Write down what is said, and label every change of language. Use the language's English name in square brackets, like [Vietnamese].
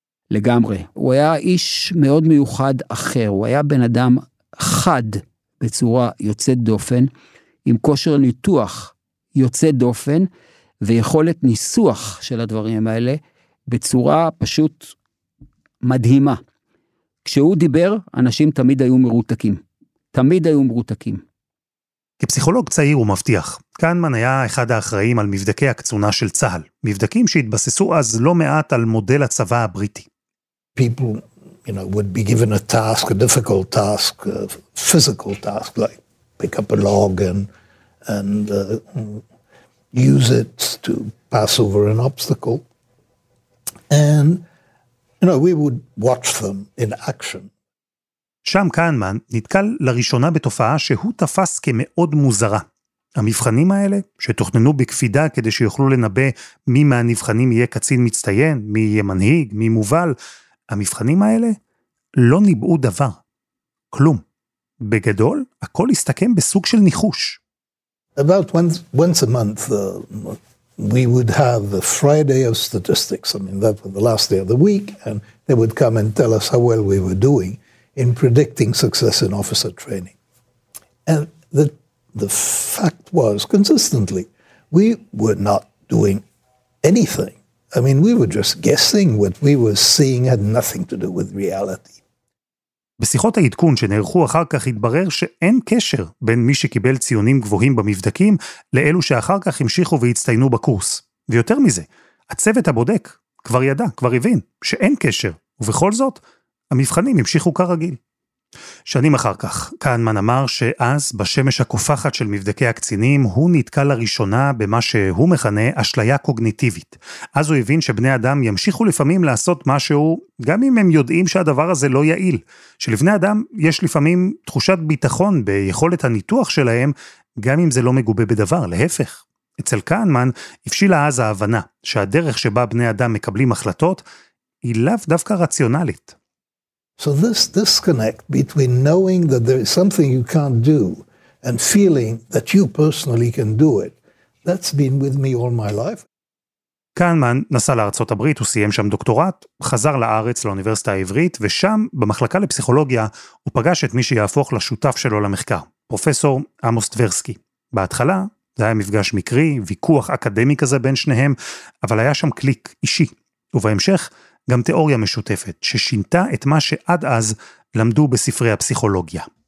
[Hebrew] לגמרי, הוא היה איש מאוד מיוחד אחר, הוא היה בן אדם חד בצורה יוצאת דופן, עם כושר ניתוח יוצאת דופן, ויכולת ניסוח של הדברים האלה בצורה פשוט מדהימה. כשהוא דיבר, אנשים תמיד היו מרותקים. תמיד היו מרותקים. כפסיכולוג צעיר ומבטיח, קהנמן היה אחד האחראים על מבדקי הקצונה של צהל. מבדקים שהתבססו אז לא מעט על מודל הצבא הבריטי. [English] People, you know, would be given a task, a difficult task, a physical task, like pick up a log and use it to pass over an obstacle. And you know, we would watch them in action. [Hebrew] שם קהנמן נתקל לראשונה בתופעה שהוא תפס כמאוד מוזרה. המבחנים האלה, שתוכננו בקפידה כדי שיוכלו לנבא מי מהנבחנים יהיה קצין מצטיין, מי יהיה מנהיג, מי מובל, המבחנים האלה לא ניבאו דבר, כלום. בגדול, הכל הסתכם בסוג של ניחוש. [English] About once a month, we would have the Friday of statistics, I mean, that was the last day of the week, and they would come and tell us how well we were doing in predicting success in officer training. And the fact was, consistently, we were not doing anything. I mean, we were just guessing what we were seeing had nothing to do with reality. [Hebrew] בשיחות העדכון שנערכו אחר כך התברר שאין קשר בין מי שקיבל ציונים גבוהים במבדקים לאלו שאחר כך המשיכו והצטיינו בקורס. ויותר מזה, הצוות הבודק כבר ידע, כבר הבין, שאין קשר, ובכל זאת, המבחנים המשיכו כרגיל. שנים אחר כך, קהנמן אמר שאז בשמש הקופחת של מבדקי הקצינים, הוא נתקע לראשונה במה שהוא מכנה אשליה קוגניטיבית. אז הוא הבין שבני אדם ימשיכו לפעמים לעשות משהו, גם אם הם יודעים שהדבר הזה לא יעיל. שלבני אדם יש לפעמים תחושת ביטחון ביכולת הניתוח שלהם, גם אם זה לא מגובה בדבר, להפך. אצל קהנמן, הפשילה אז ההבנה שהדרך שבה בני אדם מקבלים החלטות, היא לאו דווקא רציונלית. [English] So this disconnect between knowing that there is something you can't do and feeling that you personally can do it, that's been with me all my life. [Hebrew] קהנמן נסע לארצות הברית, הוא סיים שם דוקטורט, חזר לארץ לאוניברסיטה העברית, ושם, במחלקה לפסיכולוגיה, הוא פגש את מי שיהפוך לשותף שלו למחקר, פרופסור עמוס טברסקי. בהתחלה, זה היה מפגש מקרי, ויכוח אקדמי כזה בין שניהם, אבל היה שם קליק אישי, ובהמשך, גם תיאוריה משותפת ששינתה את מה שעד אז למדו בספרי הפסיכולוגיה.